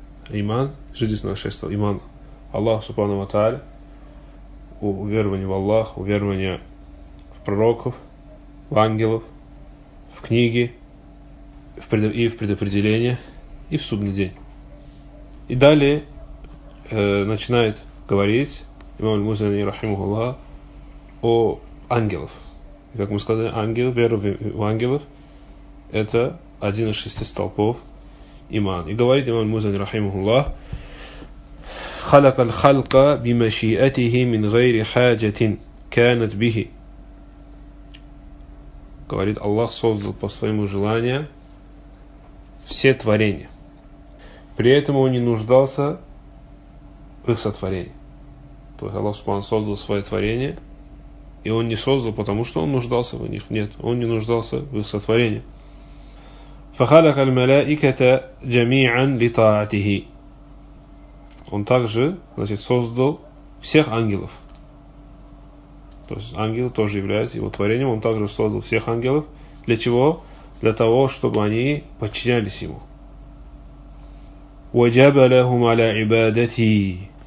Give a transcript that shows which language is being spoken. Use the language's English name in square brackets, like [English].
[Russian] Иман, жизненно шесть столпов. Иман Аллах субхана ва тааля, уверование в Аллах, уверование в пророков, в ангелов, в книги, и в предопределение, и в судный день. И далее начинает говорить имам аль-Музани рахимахуллах о ангелов. И как мы сказали, ангел, вера в ангелов — это один из шести столпов имана. И говорит имам аль-Музани рахимахуллах: [Arabic] خلق الخلق بمشيئته من غير حاجة كانت به. [Russian] Говорит, Аллах создал по своему желанию все творения. При этом он не нуждался в их сотворении. То есть Аллах Субхан создал свое творение, и он не создал, потому что он нуждался в них. Нет, он не нуждался в их сотворении. [Arabic] فخلق الملائكة جميعا لطاعته. [Russian] Он также, значит, создал всех ангелов. То есть ангел тоже является его творением. Он также создал всех ангелов. Для чего? Для того, чтобы они подчинялись ему. [Arabic] وَجَبَ لَهُمْ عَلَى عِبَادَتِهِ.